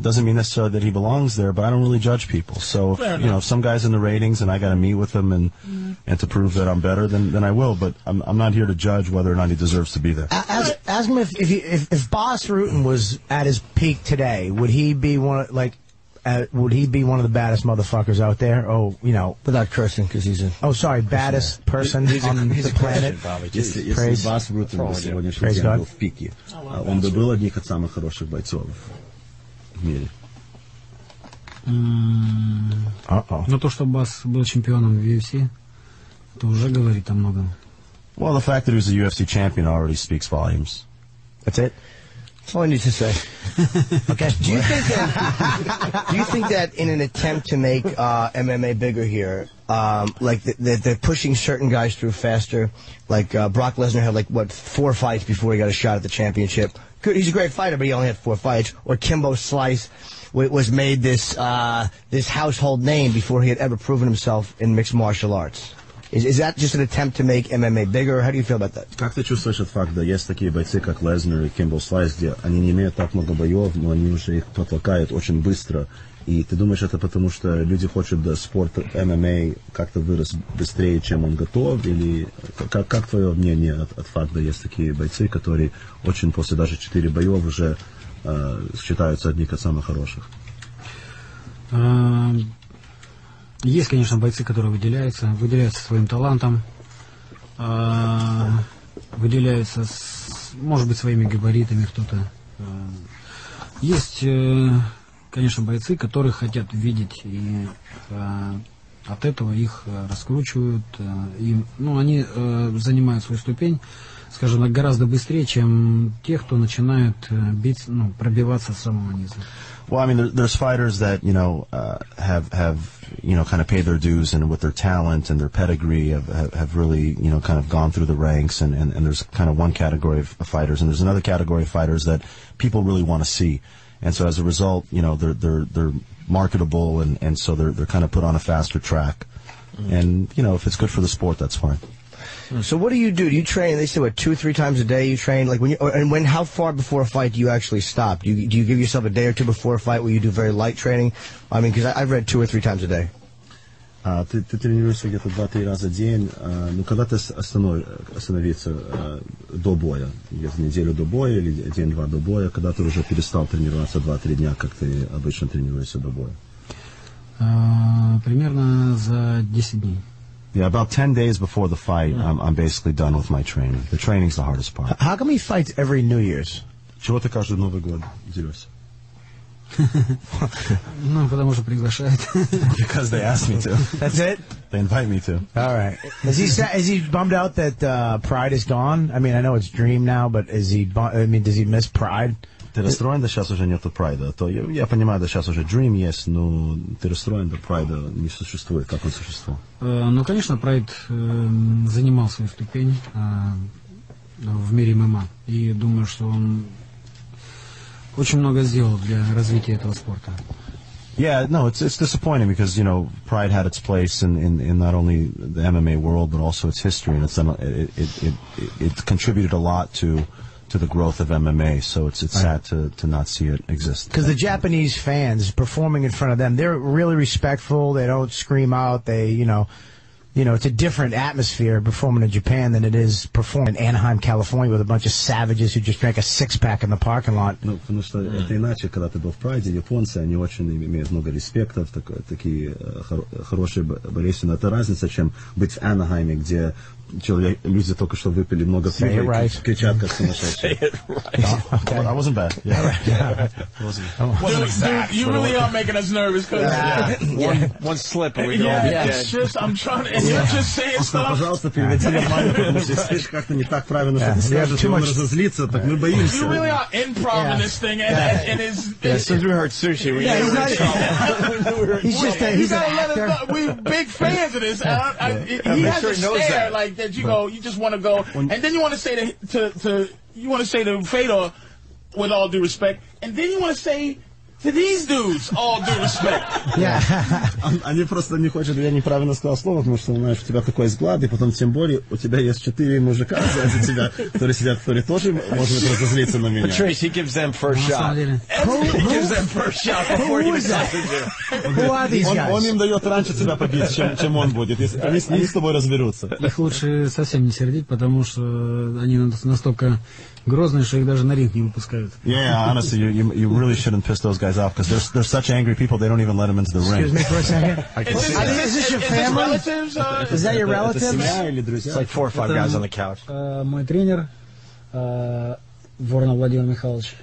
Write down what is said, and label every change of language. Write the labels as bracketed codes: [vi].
[en] It doesn't mean necessarily that he belongs there, but I don't really judge people. So, you know, if some guy's in the ratings and I got to meet with him and to prove that I'm better, then I will. But I'm not here to judge whether or not he deserves to be there. Ask him if Boss Rutten was at his peak today, would he be one of the baddest motherfuckers out there? Oh, you know, without cursing, because he's a baddest yeah. person he's on the planet. [ru] Если Бас Рутен был сегодняшний день был в пике, он бы был одним из самых хороших бойцов в мире. Но то, что Бас был чемпионом в UFC, это уже говорит о многом. [en] Well, the fact that he was a UFC champion already speaks volumes. That's it. That's all I need to say. Okay. Do you think that in an attempt to make MMA bigger here, like they're pushing certain guys through faster, like Brock Lesnar had like what, 4 fights before he got a shot at the championship. Good, he's a great fighter, but he only had 4 fights. Or Kimbo Slice was made this household name before he had ever proven himself in mixed martial arts. Is that just an attempt to make MMA bigger? How do you feel about that? [ru] Как ты чувствуешь этот факт, да, есть такие бойцы, как Лезнер и Кимбл Слайс, где они не имеют так много боев, но они уже их потолкают очень быстро. И ты думаешь, это потому что люди хотят, да, спорт MMA как-то вырос быстрее, чем он готов? Или как твое мнение от факта, есть такие бойцы, которые очень после даже 4 боев уже считаются одни из самых хороших? Есть, конечно, бойцы, которые выделяются своим талантом, выделяются, может быть, своими габаритами кто-то. Есть, конечно, бойцы, которые хотят видеть, и от этого их раскручивают, и, ну, они занимают свою ступень, скажем так, гораздо быстрее, чем те, кто начинают бить, ну, пробиваться с самого низа. [en] Well, I mean, there's fighters that, you know, have you know, kind of paid their dues, and with their talent and their pedigree have really, you know, kind of gone through the ranks, and there's kind of one category of fighters, and there's another category of fighters that people really want to see. And so as a result, you know, they're marketable, and so they're kind of put on a faster track. Mm-hmm. And, you know, if it's good for the sport, that's fine. So what do you do? Do you train? They say what, 2-3 times a day you train? Like when you, or, and when? How far before a fight do you actually stop? Do you give yourself a day or two before a fight where you do very light training? I mean, because I've read 2 or 3 times a day. [ru] Ты тренируешься где-то 2-3 раза в день. Ну когда ты остановиться до боя, где-то неделю до боя или 1-2 до боя, когда ты уже перестал тренироваться 2-3 дня, как ты обычно тренируешься до боя? Примерно за 10 дней. [en] Yeah, about 10 days before the fight, yeah. I'm basically done with my training. The training's the hardest part. How come he fights every New Year's? [ru] Чего ты каждый Новый год дерешься? Ну, потому что приглашают. [en] Because they asked me to. That's it? They invite me to. All right. Is he bummed out that Pride is gone? I mean, I know it's Dream now, but does he miss Pride? [ru] Ты расстроен, да сейчас уже нету Прайда. То я понимаю, да сейчас уже Dream есть, но ты расстроен, да Прайда не существует, как он существовал. Ну, конечно, Прайд занимал свою ступень в мире ММА. И думаю, что он очень много сделал для развития этого спорта. [en] Yeah, no, it's disappointing because, you know, Pride had its place in not only the MMA world, but also its history. And it contributed a lot to the growth of MMA, so it's right. Sad to not see it exist. Because the Japanese fans performing in front of them, they're really respectful. They don't scream out. They, you know, it's a different atmosphere performing in Japan than it is performing in Anaheim, California, with a bunch of savages who just drank a 6-pack in the parking lot. [ru] No, потому что это иначе, когда ты был в Прайде, японцы, они очень имеют много респектов, такие хорошие болельщики. Но это разница, чем быть в Анахайме, где люди только что выпили много пива, [en] right. [ru] Кричат, как сумасшедшие. [en] Say it right. Oh, okay. Well, that wasn't bad. Dude, you really are making us nervous. One slip and we'd all be dead. It's just, I'm trying to, you're just saying stuff. [ru] Пожалуйста, переведи на майку, потому что здесь как-то не так правильно, что ты скажешь, и он разозлится, так мы боимся. [en] You really are improv in this thing, and it's... Yeah, since we heard sushi, we knew we were in trouble. He's just an actor. We're big fans of this. He has a stare, like, that you go, you just want to go, and then you want to say to Fedor, with all due respect, and then you want to say to these dudes, all due respect. Yeah. [ru] Они просто не хотят, я неправильно сказал слово, потому что знаешь, у тебя такой взгляд, и потом тем более у тебя есть 4 мужика сзади тебя, которые сидят, которые тоже могут разозлиться на меня. [en] Patrice, he gives them first shot. Before he was Who are these guys? [ru] Он им дает раньше тебя побить, чем он будет. Они с тобой разберутся. Их лучше совсем не сердить, потому что они настолько грозные, что их даже на ринг не выпускают. [en] Yeah, honestly, you really shouldn't piss those guys off because they're such angry people, they don't even let them into the ring. Excuse me for a second. Is this your family? Is that your relatives? It's like 4 or 5 guys on the couch. My trainer, Vorona Vladimir Mikhailovich.